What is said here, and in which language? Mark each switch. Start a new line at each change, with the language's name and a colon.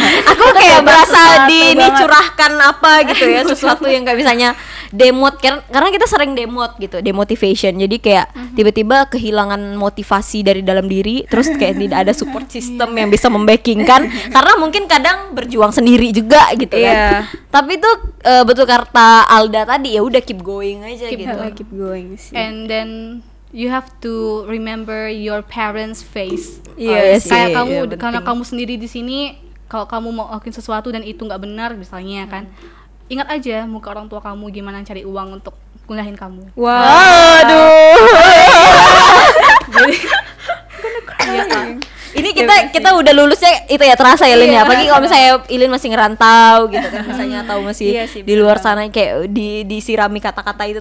Indonesian: Aku kayak berasa di ini curahkan apa gitu ya, sesuatu yang kayak misalnya demot, karena kita sering demot gitu, demotivation. Jadi kayak tiba-tiba kehilangan motivasi dari dalam diri, terus kayak tidak ada support system yang bisa membacking kan. Karena mungkin kadang berjuang sendiri juga gitu kan. Tapi itu betul kata Alda tadi, ya udah keep going aja,
English: keep
Indonesian: gitu.
English: Keep going sih. And then you have to remember your parents' face. Yes.
Indonesian: Kayak kamu, karena kamu sendiri di sini, kalau kamu mau ngelakuin sesuatu dan itu enggak benar misalnya kan. ingat aja muka orang tua kamu gimana cari uang untuk kuliahin kamu. Waduh. Ini kita ya, kita udah lulusnya itu ya terasa ya Lin ya. Apalagi kalau misalnya Ilin masih ngerantau gitu kan misalnya atau masih iya sih, di luar sana kayak disirami kata-kata itu